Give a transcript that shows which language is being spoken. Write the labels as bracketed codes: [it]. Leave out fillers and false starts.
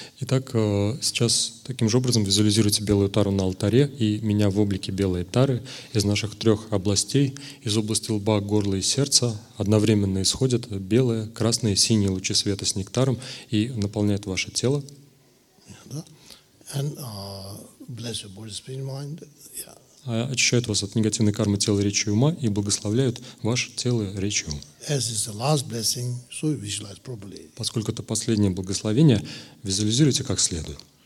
[ru] Итак, сейчас таким же образом визуализируйте белую тару на алтаре и меня в облике белой тары из наших трех областей, из области лба, горла и сердца одновременно исходят белые, красные, синие лучи света с нектаром и наполняют ваше тело. [en] And bless your body, spirit, mind. Yeah. [ru] Очищают вас от негативной кармы тела, речи и ума и благословляют ваше тело, речь и ум. [en] As is the last blessing, so you visualize properly. [ru] Поскольку это последнее благословение, визуализируйте как следует.